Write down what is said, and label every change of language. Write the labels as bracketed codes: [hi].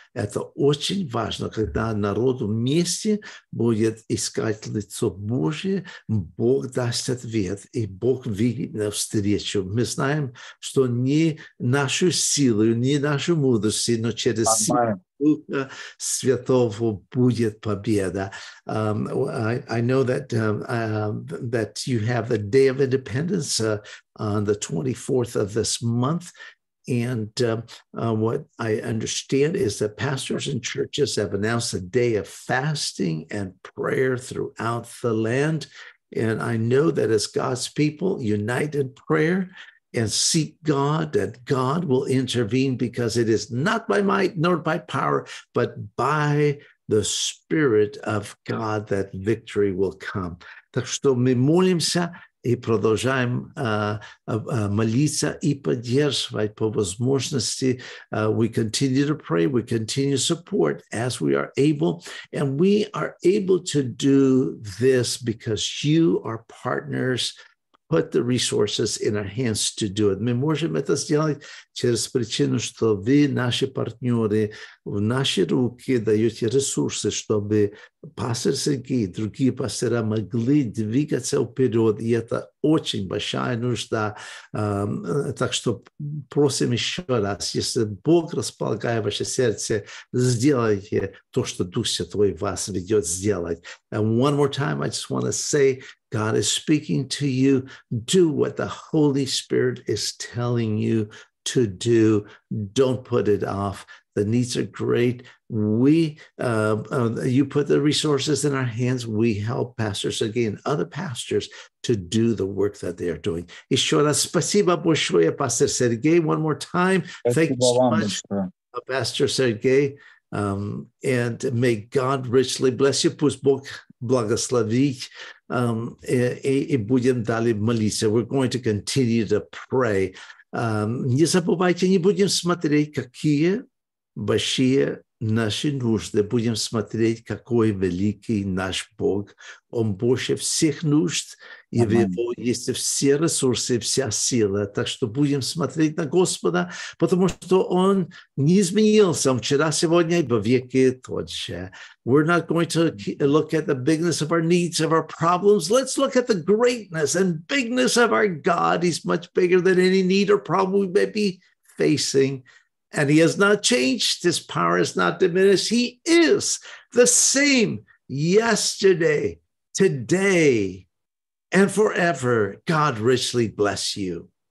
[ru] Это очень важно, когда народ вместе будет искать лицо Божие, Бог даст ответ, и Бог выйдет навстречу. Мы знаем, что не нашу силу, не нашу мудрость, но через силу Духа Святого будет победа. [en] I know that that you have the Day of Independence on the 24th of this month. And what I understand is that pastors and churches have announced a day of fasting and prayer throughout the land. And I know that as God's people unite in prayer and seek God, that God will intervene, because it is not by might nor by power, but by the Spirit of God that victory will come. [ru] Так что мы молимся и продолжаем молиться и поддерживать по возможности. [en] We continue to pray, we continue to support as we are able. And we are able to do this because you, our partners, put the resources in our hands to do it. [uk] Ми можемо це зробити через причину, що ви, наші партнери, в наші руки даєте ресурси, щоб пастор Сергій, другі пастори могли двигатися вперед. І це дуже велика нужда. Так що просимо ще раз, якщо Бог розполагає ваше серце, зробіть те, що Дух Святий вас веде зробити. [en] And one more time, I just want to say, God is speaking to you. Do what the Holy Spirit is telling you to do. Don't put it off. The needs are great. You put the resources in our hands. We help pastors, again, other pastors, to do the work that they are doing. [ru] Еще раз спасибо большое, пастор Сергей. [en] One more time. Thank you so much, Pastor Sergey. And may God richly bless you. [ru] Пусть Бог благословить. [uk] І будемо далі молитися. [en] We're going to continue to pray. [uk] Не забувайте, не будемо смотреть, які ваші наші нужди. Будемо смотреть, який великий наш Бог. Он больше всіх нужд, і в Його є всі ресурси, вся сила. Так що будемо смотреть на Господа, тому що Он не змінився вчора, сьогодні, і вовіки тот же. [en] We're not going to look at the bigness of our needs, of our problems. Let's look at the greatness and bigness of our God. He's much bigger than any need or problem we may be facing. And He has not changed. His power is not diminished. He is the same yesterday, today, and forever. God richly bless you.